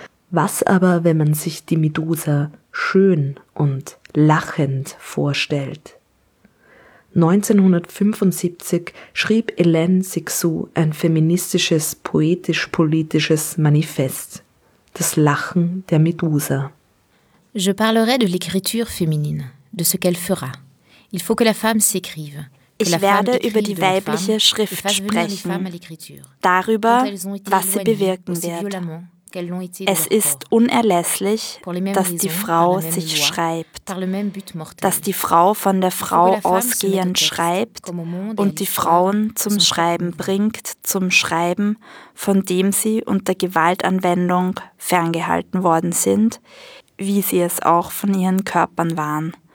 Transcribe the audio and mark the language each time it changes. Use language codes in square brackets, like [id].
[de] Was aber, wenn man sich die Medusa schön und lachend vorstellt? 1975 schrieb Hélène Cixous ein feministisches, poetisch-politisches Manifest, das Lachen der Medusa. [fr] Je parlerai de l'écriture féminine, de ce qu'elle fera. Il faut que la femme s'écrive. [de] Ich werde über die weibliche Schrift sprechen, darüber, was sie bewirken wird. Es ist unerlässlich, dass die Frau sich schreibt, dass die Frau von der Frau ausgehend schreibt und die Frauen zum Schreiben bringt, zum Schreiben, von dem sie unter Gewaltanwendung ferngehalten worden sind, wie sie es auch von ihren Körpern waren.